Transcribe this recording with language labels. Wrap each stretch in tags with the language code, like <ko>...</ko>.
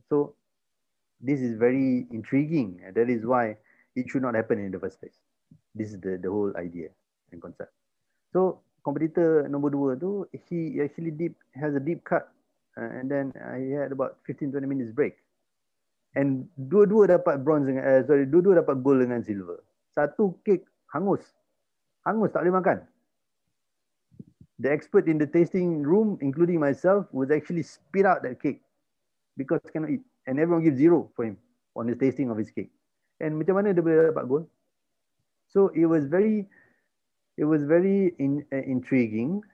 <en>So this is very intriguing. That is why it should not happen in the first place. This is the whole idea and concept. So competitor</en> <ms>nombor 2 tu,</ms> <en>he actually has a deep cut, and then he had about 15-20 minutes break.</en> <ms>And dua-dua dapat bronze dua-dua dapat gold dengan silver. Satu cake hangus. Hangus tak boleh makan.</ms> <en>The expert in the tasting room, including myself, was actually spit out that cake because cannot eat. And everyone gives zero for him on the tasting of his cake. And</en> <ms>macam mana dia boleh dapat gold?</ms> <en>So it was very intriguing.</en>